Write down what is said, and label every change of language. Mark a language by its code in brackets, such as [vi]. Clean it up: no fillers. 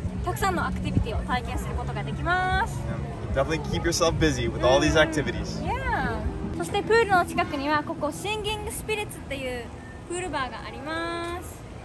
[ja] たくさんのアクティビティを体験することができます。 [en] Yeah. Definitely keep yourself busy with all these activities. Yeah. [ja] そしてプールの近くにはここシンギングスピリッツっていうプールバーがあります。